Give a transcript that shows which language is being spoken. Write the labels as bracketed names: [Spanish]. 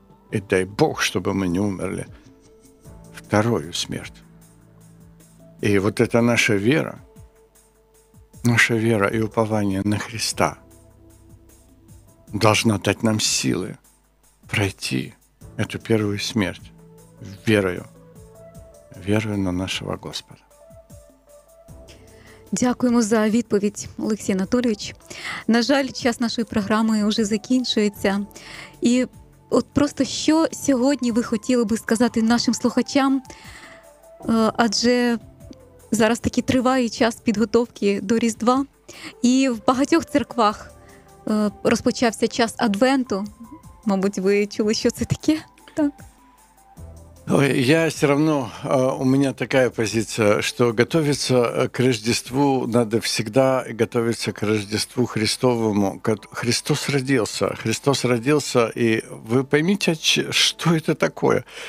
[Russian] И дай Бог, чтобы мы не умерли вторую смертью. И вот это наша вера и упование на Христа должна дать нам силы пройти эту первую смерть верою, верою на нашего Господа. [Ukrainian] Дякуємо за відповідь, Олексій Анатолійович. На жаль, час нашої програми вже закінчується. І от просто що сьогодні ви хотіли би сказати нашим слухачам? Адже зараз таки триває час підготовки до Різдва. І в багатьох церквах розпочався час Адвенту. Мабуть, ви чули, що це таке? Так. [Russian] Ой, я все равно, у меня такая позиция, что готовиться к Рождеству надо всегда, готовиться к Рождеству Христовому. Христос родился, и вы поймите, что это такое.